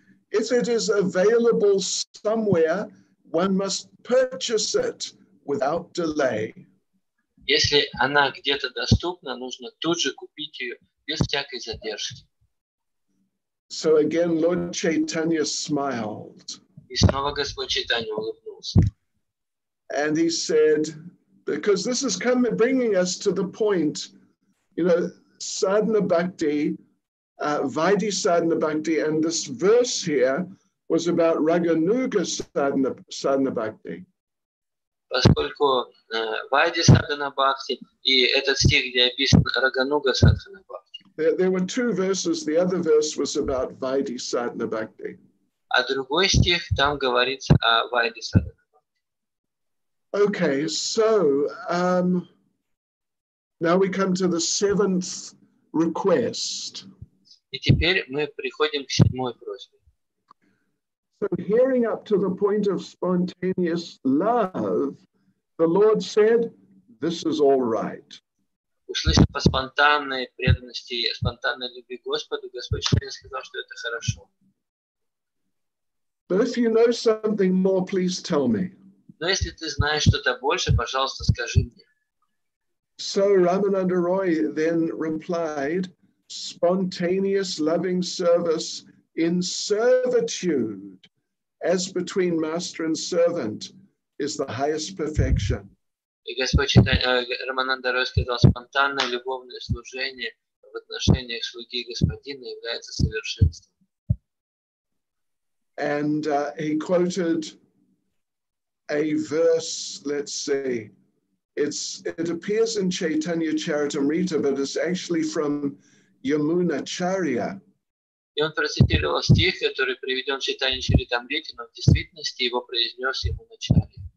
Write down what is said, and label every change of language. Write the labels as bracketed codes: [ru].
[en] If it is available somewhere, one must purchase it without delay. [ru] Если она где-то доступна, нужно тут же купить ее без всякой задержки. [en] So again, Lord Chaitanya smiled. [ru] И снова Господь Чайтанья улыбнулся. [en] And he said, because this is coming, bringing us to the point, you know, sadhana bhakti, vaidhi sadhana bhakti, and this verse here was about raganuga sadhana bhakti. [ru] Поскольку вайди садхана бхакти и этот стих, где описан рагануга садхана бхакти. [en] There were two verses. The other verse was about vaidhi sadhana bhakti. [ru] А другой стих там говорится о вайди садхана бхакти. [en] Okay, so now we come to the seventh request. [ru] И теперь мы приходим к седьмой просьбе. [en] So hearing up to the point of spontaneous love, the Lord said, this is all right. [ru] Услышав по спонтанной преданности, спонтанной любви Господу, Господь Чайтанья сказал, что это хорошо. [en] But if you know something more, please tell me. [ru] Но если ты знаешь что-то больше, пожалуйста, скажи мне. [en] So Рамананда Рой then replied, spontaneous loving service in servitude, as between master and servant, is the highest perfection. [ru] И Господь Чайтанья, Рамананда Рой сказал, спонтанное любовное служение в отношениях слуги и господина является совершенством. [en] And he quoted a verse, let's see, it appears in Chaitanya Charitamrita, but it's actually from Yamunacharya. [ru] И он процитировал стих, который приведен в Чайтанья Чаритамрите, но в действительности его произнес ему вначале.